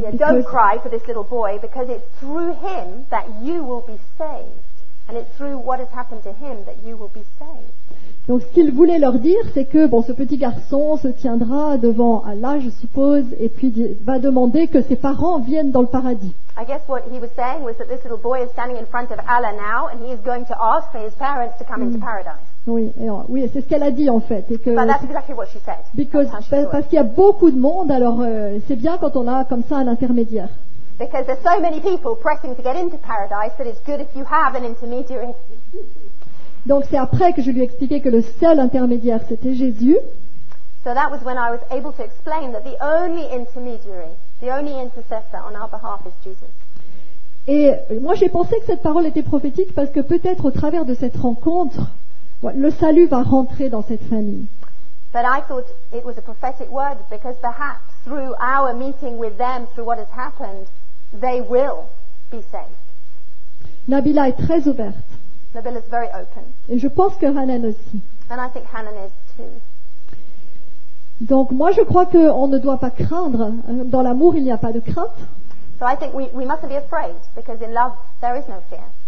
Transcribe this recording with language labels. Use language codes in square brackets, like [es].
[en] Don't cry for this little boy because it's through him that you will be saved. And it's through what has happened to him that you will be saved. [fr] Donc ce qu'il voulait leur dire, c'est que bon, ce petit garçon se tiendra devant Allah, je suppose, et puis va demander que ses parents viennent dans le paradis. [en] I guess what he was saying was that this little boy is standing in front of Allah now and he is going to ask for his parents to come into paradise. [fr] Oui, c'est ce qu'elle a dit en fait. Et que, [en] but that's exactly what she said. [fr] Parce qu'il y a beaucoup de monde, alors c'est bien quand on a comme ça un intermédiaire. [en] Because there's so many people pressing to get into paradise that it's good if you have an intermediary. [fr] Donc c'est après que je lui ai expliqué que le seul intermédiaire c'était Jésus. [en] So that was when I was able to explain that the only intermediary, the only intercessor on our behalf is Jesus. [fr] Et moi j'ai pensé que cette parole était prophétique parce que peut-être au travers de cette rencontre, le salut va rentrer dans cette famille. [en] But I thought it was a prophetic word because perhaps through our meeting with them, through what has happened, they will be saved. [fr] Nabila est très ouverte. [en] Nabila is very open. [fr] Et je pense que Hanan aussi. [en] And I think Hanan is too. [fr] Donc moi je crois qu'on ne doit pas craindre. Dans l'amour il n'y a pas de crainte. [en] So I think we mustn't be afraid because in love there is no fear.